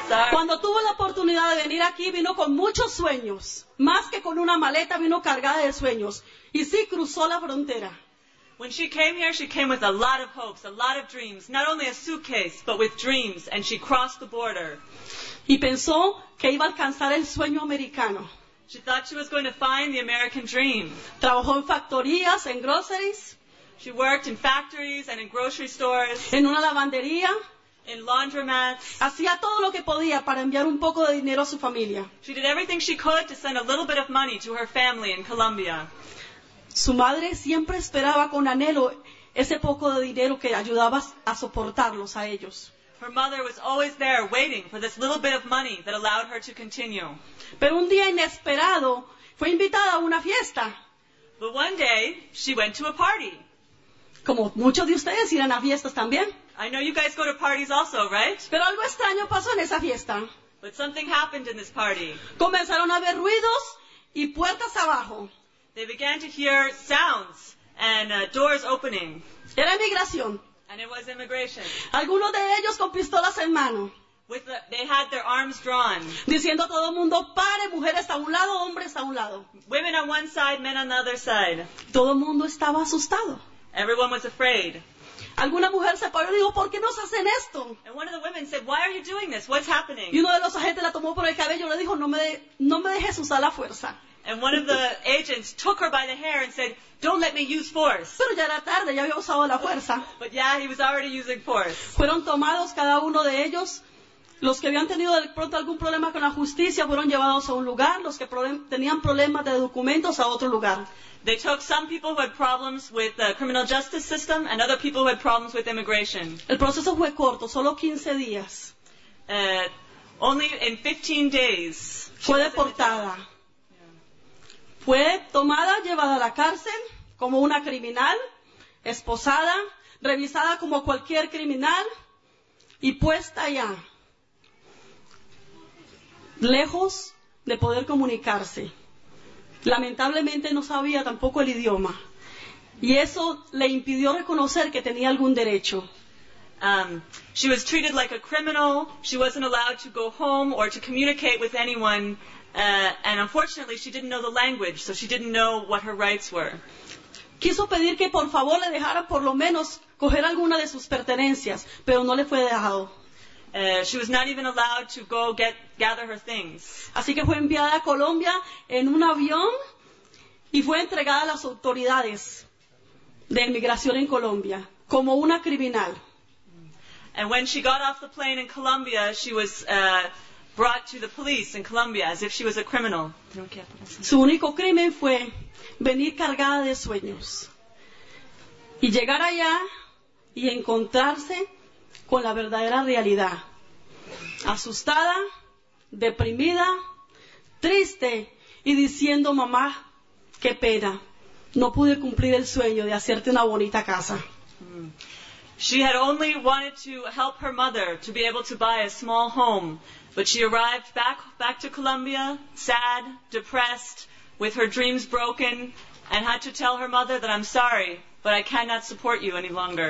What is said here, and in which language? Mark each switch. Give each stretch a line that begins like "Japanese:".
Spanish: Cuando tuvo la oportunidad de venir aquí, vino con muchos sueños. Más que con una maleta, vino cargada de sueños. Y sí, cruzó la frontera.
English: When she came here, she came with a lot of hopes, a lot of dreams. Not only a suitcase, but with dreams. And she crossed the border.
Spanish: Y pensó que iba a alcanzar el sueño americano.
English: She thought she was going to find the American dream.
Spanish: Trabajó en factorías, en groceries.
English: She worked in factories and in grocery stores.
Spanish: En una lavandería.
English: In laundromats.
Spanish: Hacía todo lo que podía para enviar un poco de dinero a su familia.
English: She did everything she could to send a little bit of money to her family in Colombia.
Spanish: Su madre siempre esperaba con anhelo ese poco de dinero que ayudaba a soportarlos a ellos.
English: Her mother was always there waiting for this little bit of money that allowed her to continue.
Spanish: Pero un día inesperado fue invitada a una fiesta.
English: But one day she went to a party.
Spanish: Como muchos de ustedes irán a fiestas también.
English: I know you guys go to parties also, right?
Spanish: Pero algo extraño pasó en esa fiesta.
English: But something happened in this party.
Spanish: Comenzaron a ver ruidos y puertas abajo.
English: They began to hear sounds and doors opening.
Spanish: Era inmigración.
English: And it was immigration.
Spanish: Algunos de ellos con pistolas en mano.
English: They had their arms drawn.
Spanish: Diciendo a todo el mundo, pare, mujeres a un lado, hombres a un lado.
English: Women on one side, men on the other side.
Spanish: Todo el mundo estaba asustado.
English: Everyone was afraid.
Spanish: Alguna mujer se paró y dijo, ¿por qué nos hacen esto?
English: And one of the women said, why are you doing this? What's happening?
Spanish: Y uno de los agentes la tomó por el cabello y le dijo, no me dejes usar la fuerza.
English: And one of the agents took her by the hair and said, don't let me use force.
Spanish: Pero ya era tarde, ya había usado la fuerza.
English: But yeah, he was already using force.
Spanish: Fueron tomados cada uno de ellos. Los que habían tenido de pronto algún problema con la justicia fueron llevados a un lugar. Los que tenían problemas de documentos a otro lugar.
English: They took some people who had problems with the criminal justice system and other people who had problems with immigration.
Spanish: El proceso fue corto, solo 15 días.
English: Only in 15 days.
Spanish: Fue deportada. Fue tomada, llevada a la cárcel como una criminal, esposada, revisada como cualquier criminal y puesta allá. Lejos de poder comunicarse. Lamentablemente no sabía tampoco el idioma. Y eso le impidió reconocer que tenía algún derecho.
English: She was treated like a criminal. She wasn't allowed to go home or to communicate with anyone. And unfortunately, she didn't know the language, so she didn't know what her rights were.
Spanish: Quiso pedir que por favor le dejara por lo menos coger alguna de sus pertenencias, pero no le fue dejado.
English: She was not even allowed to go gather her things.
Spanish: Así que fue enviada a Colombia en un avión y fue entregada a las autoridades de inmigración en Colombia como una criminal.
English: And when she got off the plane in Colombia, she was brought to the police in Colombia as if she was a criminal.
Spanish: Su único crimen fue venir cargada de sueños y llegar allá y encontrarse con la verdadera realidad. Asustada, deprimida, triste y diciendo, mamá, qué pena, no pude cumplir el sueño de hacerte una bonita casa.
English: She had only wanted to help her mother to be able to buy a small home, but she arrived back to Colombia, sad, depressed, with her dreams broken, and had to tell her mother that I'm sorry, but I cannot support you any longer.